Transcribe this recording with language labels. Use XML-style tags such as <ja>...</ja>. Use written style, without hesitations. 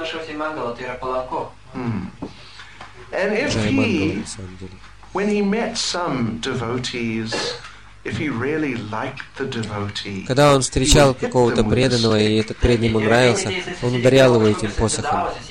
<ru>Джай Мангала, на самом деле.</ru> <en>When he met some devotees, if he really liked the devotee,</en> <ru>когда он встречал какого-то преданного, и этот преданный ему нравился, он ударял его этим посохом.</ru>